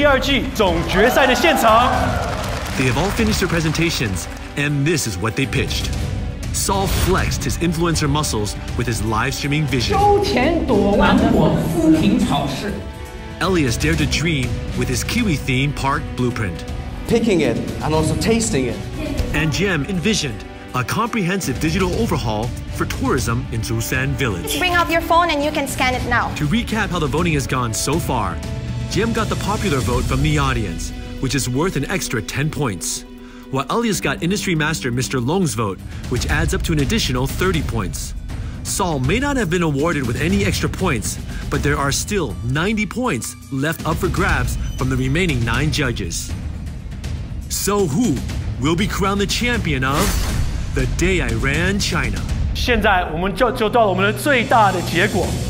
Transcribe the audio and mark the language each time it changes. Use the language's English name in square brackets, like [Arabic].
[Chinese] 欢迎大家来到功夫学徒第二季总决赛的现场! [English] They have all finished their presentations, and this is what they pitched. Saul flexed his influencer muscles with his live-streaming vision. Elyas dared to dream with his Kiwi-themed park blueprint. Picking it and also tasting it. And Jim envisioned a comprehensive digital overhaul for tourism in Zusan Village. Bring out your phone and you can scan it now. To recap how the voting has gone so far, Jim got the popular vote from the audience, which is worth an extra 10 points. While Elyas got industry master Mr. Long's vote, which adds up to an additional 30 points. Saul may not have been awarded with any extra points, but there are still 90 points left up for grabs from the remaining 9 judges. So who will be crowned the champion of The Day I Ran China? [Chinese] 现在我们就到了我们的最大的结果.